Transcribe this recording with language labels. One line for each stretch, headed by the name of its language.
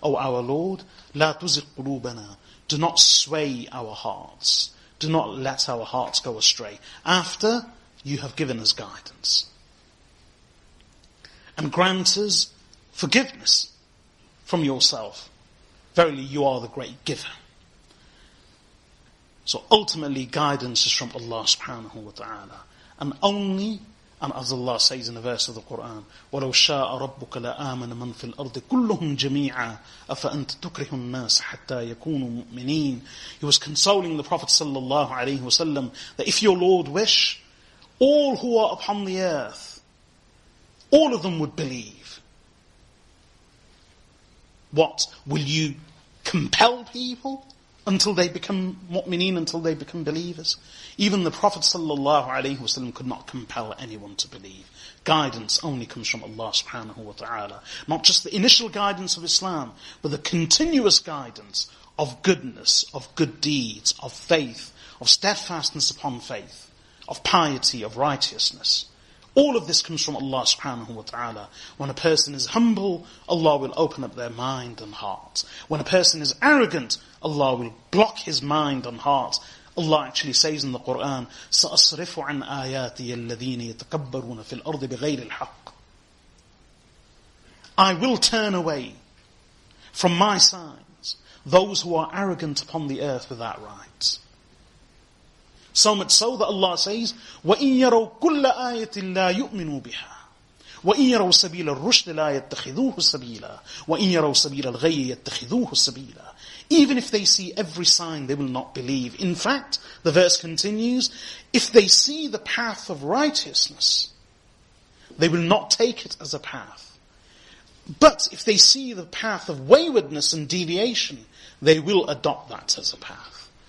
English: O our Lord,
Arabic: لَا تُزِغْ قُلُوبَنَا,
English: do not sway our hearts, do not let our hearts go astray after you have given us guidance and grant us forgiveness from yourself. Verily you are the great giver. So ultimately guidance is from Allah subhanahu wa ta'ala. And only, and as Allah says in a verse of the Quran,
Arabic: وَلَوْ شَاءَ رَبُّكَ لَآمَنَ مَنْ فِي الْأَرْضِ كُلُّهُمْ جَمِيعًا أَفَأَنْتَ تُكْرِهُ النَّاسَ حَتَّى يَكُونُوا مُؤْمِنِينَ.
English: He was consoling the Prophet sallallahu alayhi wa sallam that if your Lord wish, all who are upon the earth, all of them would believe. What? Will you compel people until they become mu'mineen, until they become believers? Even the Prophet sallallahu alayhi wasallam could not compel anyone to believe. Guidance only comes from Allah subhanahu wa ta'ala. Not just the initial guidance of Islam, but the continuous guidance of goodness, of good deeds, of faith, of steadfastness upon faith, of piety, of righteousness. All of this comes from Allah subhanahu wa ta'ala. When a person is humble, Allah will open up their mind and heart. When a person is arrogant, Allah will block his mind and heart. Allah actually says in the Quran,
Arabic: سَأَصْرِفُ عَنْ آيَاتِيَ الَّذِينَ يَتَكَبَّرُونَ فِي الْأَرْضِ بِغَيْرِ الْحَقِّ.
English: I will turn away from my signs those who are arrogant upon the earth without right. So much so that Allah says,
Arabic: وَإِن يَرَوْ كُلَّ آيَةٍ لَا يُؤْمِنُوا بِهَا وَإِن يَرَوْ سَبِيلَ الرُّشْدِ لَا يَتَّخِذُوهُ سَبِيلًا وَإِن يَرَوْ سَبِيلَ الْغَيِّ يَتَّخِذُوهُ سَبِيلًا.
English: Even if they see every sign, they will not believe. In fact, the verse continues, if they see the path of righteousness, they will not take it as a path. But if they see the path of waywardness and deviation, they will adopt that as a path.